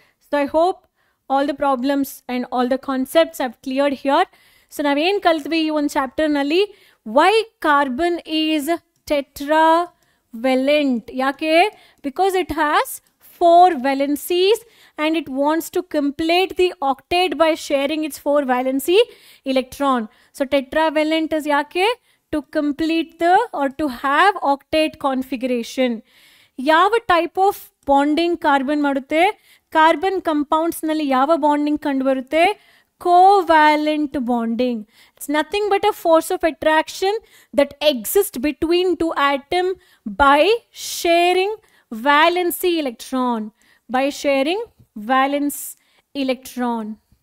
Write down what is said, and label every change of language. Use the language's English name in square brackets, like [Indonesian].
[English] So I hope all the problems and all the concepts have cleared here. [Kannada] So ನಾವೇನು ಕಲ್ತ್ವಿ ಈ ಒಂದು ಚಾಪ್ಟರ್ನಲ್ಲಿ, [English] why carbon is tetravalent, [Kannada] ಯಾಕೆ, [English] Because it has four valencies and it wants to complete the octet by sharing its four valency electron. So tetravalent is [Kannada] ಯಾಕೆ, [English] To complete the or to have octet configuration. [Kannada] ಯಾವ type of bonding carbon ಮಾಡುತ್ತೆ, carbon ಕಂಪೌಂಡ್ಸ್ನಲ್ಲಿ ಯಾವ bonding ಕಂಡುಬರುತ್ತೆ, [English] covalent bonding. It's nothing but a force of attraction that exists between two atom by sharing valency electron, by sharing valence electron.